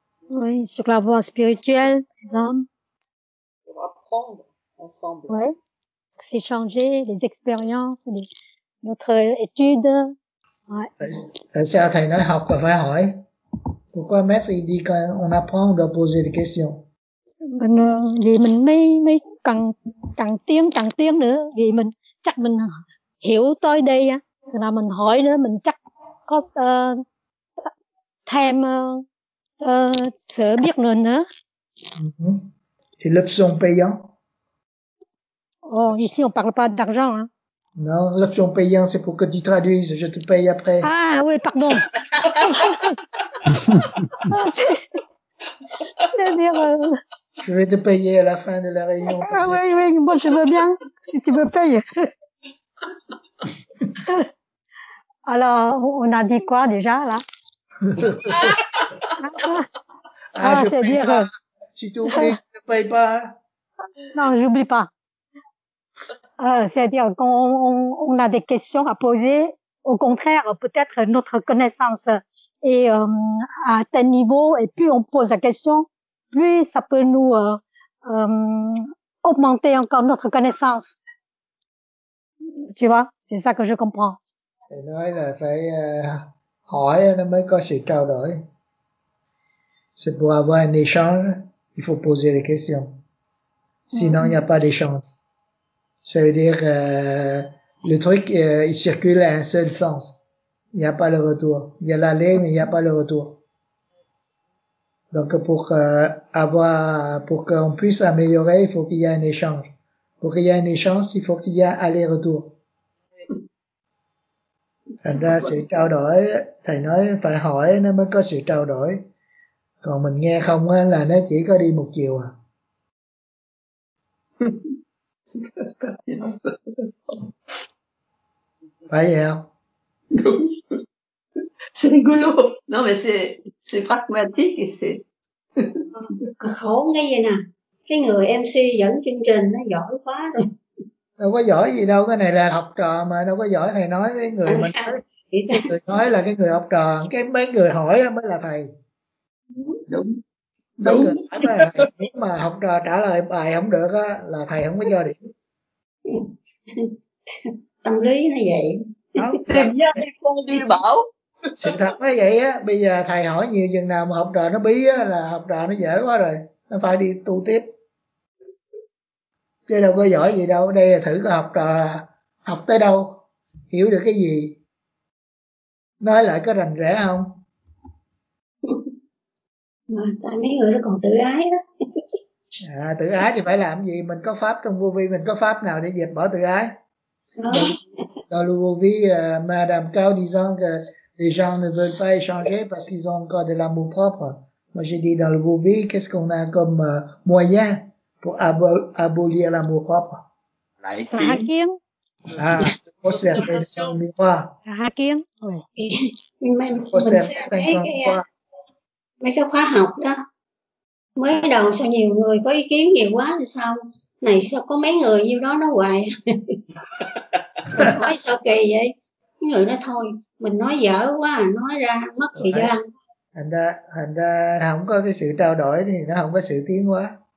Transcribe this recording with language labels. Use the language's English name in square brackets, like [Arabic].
[French] Oui, sur la voie spirituelle, les hommes. Pour apprendre ensemble. Oui. S'échanger les expériences, notre étude. Ouais. C'est à taille d'un [Vietnamese] học, phải hỏi. [French] Pourquoi maître, il dit qu'on apprend, on doit poser des questions. [Vietnamese] Vì mình mới cần càng tiến nữa. Vì mình chắc mình hiểu tới đây á. Thì là mình hỏi nữa, mình chắc có thêm sở biết rồi nữa. [French] Et l'option payante? Oh, ici on parle pas d'argent, hein. Non, l'option payante c'est pour que tu traduises, je te paye après. Ah oui, pardon. Je vais te payer à la fin de la réunion. Ah oui, oui, moi je veux bien, si tu veux payer. Alors, on a dit quoi déjà, là? Ah, je paye dire... pas. Si tu oublies, je ne paye pas. Non, j'oublie pas. C'est-à-dire qu'on a des questions à poser. Au contraire, peut-être notre connaissance est à tel niveau et plus on pose la question, plus ça peut nous augmenter encore notre connaissance. Tu vois, c'est ça que je comprends. [Vietnamese] Et nói là phải hỏi nó mới có sự trao đổi. [French] C'est pour avoir un échange, il faut poser des questions. Sinon, il n'y a pas d'échange. Ça veut dire le truc, il circule à un seul sens. Il n'y a pas le retour. Il y a l'aller, mais il n'y a pas le retour. Donc pour qu'on puisse améliorer, il faut qu'il y ait un échange. Pour qu'il y ait un échange, il faut qu'il y ait aller-retour. [Vietnamese] Thành ra sự trao đổi, thầy nói phải hỏi nó mới có sự trao đổi. Còn mình nghe không là nó chỉ có đi một chiều à. Phải vậy không? [French] C'est rigolo. Non mais c'est pragmatique et c'est... [Vietnamese] Khổ ngay vậy nè. Cái người MC dẫn chương trình nó giỏi quá rồi. Đâu có giỏi gì đâu, cái này là học trò mà, đâu có giỏi thầy nói với người mình. Người nói là cái người học trò, cái mấy người hỏi mới là thầy. Đúng. Mấy người hỏi mới là thầy. Nếu mà học trò trả lời bài không được á, là thầy không có cho điểm. Tâm lý nó vậy. Tìm ra đi con đi bảo. Sự thật nó vậy á, bây giờ thầy hỏi nhiều chừng nào mà học trò nó bí á, là học trò nó dở quá rồi, nó phải đi tu tiếp. Chứ đâu có giỏi gì đâu, đây là thử có học trò học tới đâu, hiểu được cái gì, nói lại có rành rẽ không? Mà mấy người nó còn tự ái đó. À, tự ái thì phải làm gì, mình có pháp trong vô vi, mình có pháp nào để dẹp bỏ tự ái? [French] Dans le vô vi, Madame Cao disant que les gens ne veulent pas échanger parce qu'ils ont encore de l'amour propre. Moi j'ai dit dans le vô vi, qu'est-ce qu'on a comme moyen pour abolir l'amour propre. Sahakien. Ah, pour se faire son miroir. Sahakien. Pour se faire son miroir. [Vietnamese] Mấy cái khóa học đó, mới đầu sao nhiều người có ý kiến nhiều quá thì sao? Này sao có mấy người như đó nó hoài? Nói sao kỳ vậy? Mấy người nói thôi, mình nói dở quá, nói ra mất thời gian. Thành ra không có cái sự trao đổi thì nó không có sự tiến hóa.